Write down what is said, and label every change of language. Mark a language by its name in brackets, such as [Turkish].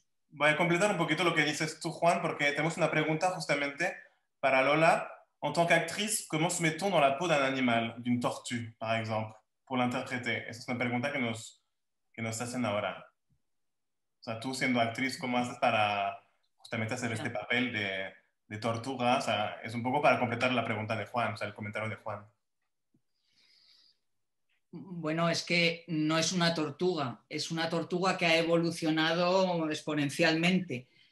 [Spanish] Voy a completar un poquito lo que dices tú, Juan, porque tenemos una pregunta justamente para Lola. [French] En tant qu'actrice, comment se met-on dans la peau d'un animal, d'une tortue, par exemple, pour l'interpréter? [Spanish] Esa es una pregunta que nos hacen ahora. O sea, tú siendo actriz, ¿cómo haces para justamente hacer este papel de tortuga? O sea, es un poco para completar la pregunta de Juan, o sea, el comentario de Juan. Bueno, es que no es una tortuga, es una tortuga que ha evolucionado exponencialmente.